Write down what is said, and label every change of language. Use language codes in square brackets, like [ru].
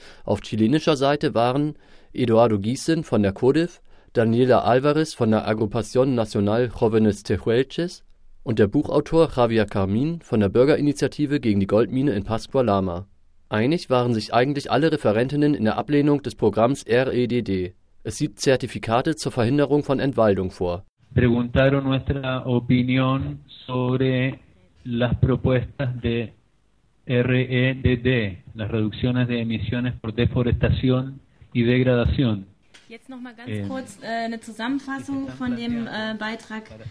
[de] Auf chilenischer Seite waren Eduardo Giesen von der CODIF, Daniela Alvarez von der Agrupación Nacional Jóvenes Tehuelches und der Buchautor Javier Carmin von der Bürgerinitiative gegen die Goldmine in Pascua Lama. Einig waren sich eigentlich alle Referentinnen in der Ablehnung des Programms REDD. Es sieht Zertifikate zur Verhinderung von Entwaldung vor. [es] Preguntaron nuestra opinión sobre las propuestas de REDD, las reducciones de emisiones por deforestación y degradación. [de] Jetzt noch mal ganz kurz eine Zusammenfassung von dem Beitrag.